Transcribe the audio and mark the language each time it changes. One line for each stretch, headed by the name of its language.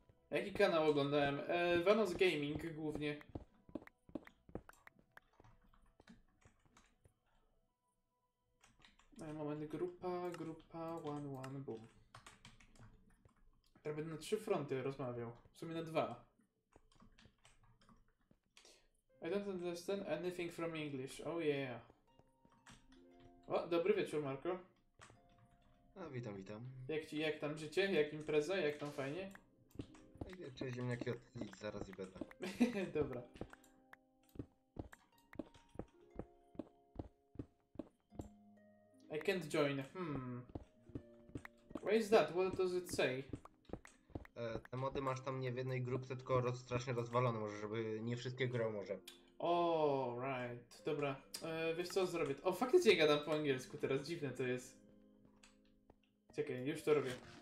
Polish: Jaki kanał oglądałem? Vanos Gaming głównie. Moment, grupa, one, boom. Teraz będę na trzy fronty rozmawiał. W sumie na dwa.
English: I don't understand anything from English.
Polish: Oh yeah. O, dobry wieczór, Marko. A, witam. Jak tam życie? Jak impreza? Jak tam fajnie? Cześć, ziemniaki, odlicz zaraz i będę. Dobra.
English: I can't join, Where is that? What does it say?
Polish: Te mody masz tam nie w jednej grupce, tylko strasznie rozwalone może, żeby nie wszystkie grał może. Right. Dobra. Wiesz co zrobię? O, faktycznie gadam po angielsku teraz, dziwne to jest. Czekaj, już to robię.